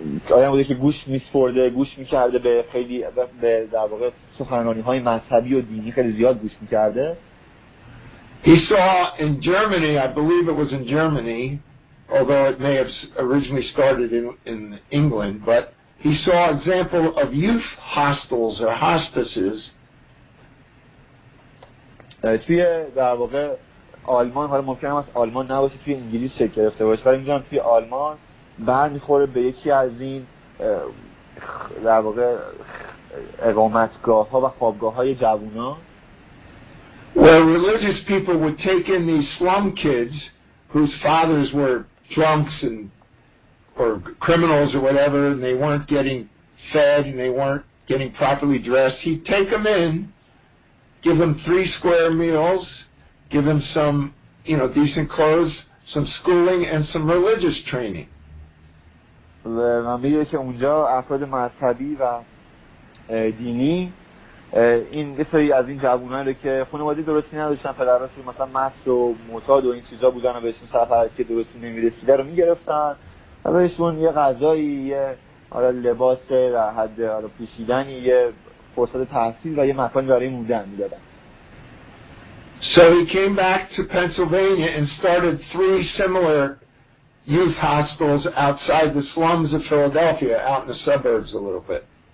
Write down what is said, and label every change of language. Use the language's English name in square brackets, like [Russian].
[Persian] آدم بوده که گوش میسپرده گوش میکرده به خیلی به در واقع سخنرانی‌های مذهبی و دینی خیلی زیاد گوش میکرده. [English] He saw in Germany, I believe it was in Germany, although it may have originally started in England, but he saw example of youth hostels or hospices. [Persian] توی در واقع آلمان، حالا ممکنه است آلمان نباشه، توی انگلیس چک گرفته باشه، ولی میگم توی آلمان برمیخوره به یکی از این در واقع اقامتگاه ها و خوابگاه های جوان ها [English] where religious people would take in these slum kids whose fathers were drunks and or criminals or whatever and they weren't getting fed and they weren't getting properly dressed. He'd take them in, give them 3 square meals, give them some, you know, decent clothes, some schooling and some religious training. [Persian] و من میدونم که اونجا افراد مذهبی و دینی این دسته از این جوانان رو که خانواده درستی نداشتن، پدرش مثلا مست و معتاد و این چیزا بودن و بهشون سفر که درستی نمیرسیده رو میگرفتن و بهشون یه غذایی، یه لباس در حد پوشیدنی، یه فرصت تحصیل و یه مکانی برای موندن میدادن. [English] So he came back to Pennsylvania and started 3 similar youth hostels outside the slums of Philadelphia, out in the suburbs a little bit.